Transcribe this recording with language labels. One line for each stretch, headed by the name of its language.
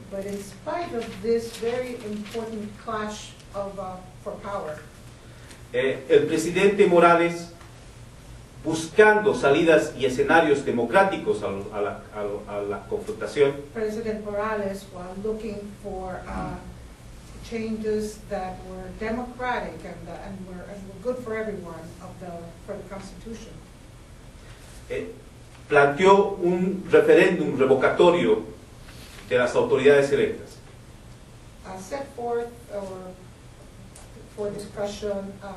English: but in spite of this very important clash for power,
Spanish: el presidente Morales, buscando salidas y escenarios democráticos a la confrontación,
English: President Morales, while looking for changes that were democratic and were good for everyone for the Constitution,
Spanish: planteó un referéndum revocatorio de las autoridades electas.
English: Set forth for discussion